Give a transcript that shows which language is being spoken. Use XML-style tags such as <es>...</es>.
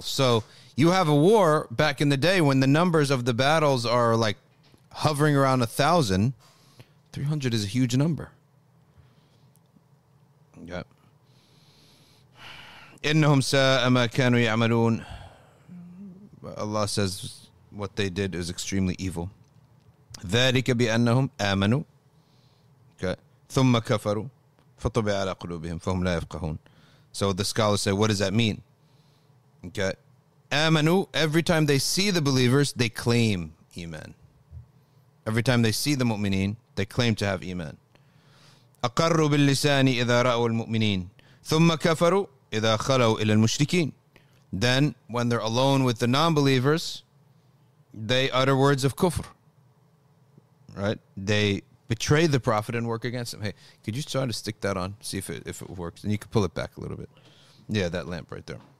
<en>So you have a war back in the day when the numbers of the battles are like hovering around 1,000. 300 is a huge number. Yeah.</en> <ar>إِنَّهُمْ سَاءَ مَا كَانُوا يَعْمَلُونَ.</ar> <en>Allah says what they did is extremely evil.</en> <ar>ذَلِكَ بِأَنَّهُمْ آمَنُوا.</ar> <en>Okay.</en> <ar>ثم كفروا فطبع على قلوبهم فهم لا يفقهون.</ar> <en>So the scholars say, what does that mean? Okay. آمنوا, every time they see the believers, they claim iman. Every time they see the mu'mineen, they claim to have iman.</en> <ar>أقروا باللسان إذا رأوا المؤمنين ثم كفروا إذا خلوا إلى المشركين.</ar> <en>Then when they're alone with the non-believers, they utter words of kufr. Right? They betray the Prophet and work against him. Hey, could you try to stick that on? See if it works. And you could pull it back a little bit. Yeah, that lamp right there.</en>